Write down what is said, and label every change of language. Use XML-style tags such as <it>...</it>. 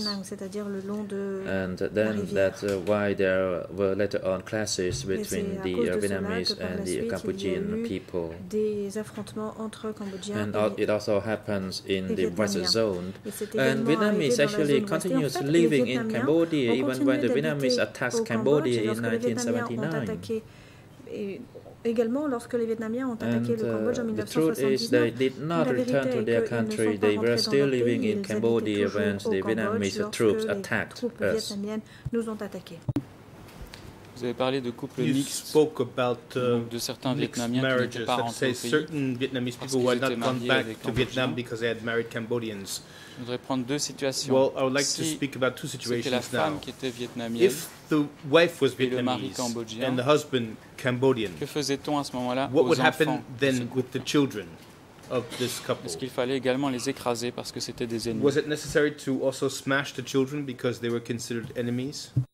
<en>And then that's why there were later on clashes between the Vietnamese and the Cambodian people. And it also happens in the western zone. And Vietnamese actually continues living in Cambodia even when the Vietnamese attacked Cambodia in 1979.</en> <fr>Et également lorsque les Vietnamiens ont attaqué le Cambodge en 1979, la vérité est qu'ils ne sont pas rentrés dans leur pays, ils habitaient toujours au Cambodge lorsque les troupes vietnamiennes nous ont attaqués. Vous avez parlé de couples mixtes, de certains Vietnamiens qui n'étaient pas rentrés au pays parce qu'ils étaient mariés avec des Cambodgiens. Je voudrais prendre deux situations.</fr> <en>Well, I would like to speak about two situations</en> <fr>now. C'était la femme qui était vietnamienne.</fr> <en>If the wife was Vietnamese</en> <fr>et le mari cambodgien,</fr> <en>and the husband Cambodian,</en> <fr>que faisait-on à ce moment-là aux enfants?</fr> <en>What would happen then with the children of this couple?</en> <fr>Est-ce qu'il fallait également les écraser parce que c'était des ennemis?</fr> <en>Was it necessary to also smash the children because they were considered enemies?</en>